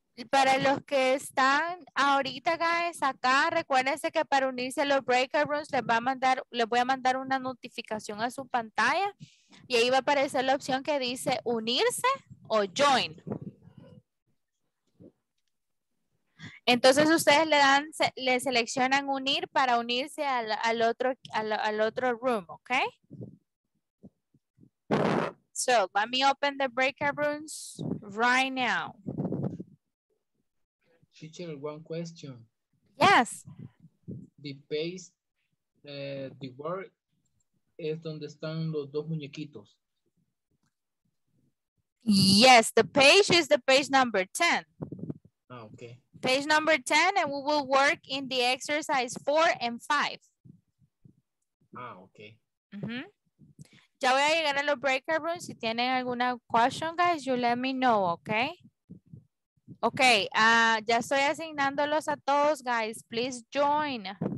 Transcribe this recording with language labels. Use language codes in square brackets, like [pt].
[es] Para los que están ahorita, guys, acá, recuérdense que para unirse a los breakout rooms les voy a mandar una notificación a su pantalla y ahí va a aparecer la opción que dice unirse o join. Entonces ustedes le seleccionan unir para unirse al otro room, ¿ok? [en] So, let me open the breakout rooms right now. Teacher, one question. Yes. The base, the word [es] es donde están los dos muñequitos. [en] Yes, the page is the page number 10. Ah, okay. Page number 10, and we will work in the exercise 4 and 5. Ah, okay. Mm-hmm. [es] Ya voy a llegar a los breakout rooms. Si tienen alguna [en] question, guys, you let me know, okay? [es] Okay, ya estoy asignándolos a todos, guys. [en] Please join.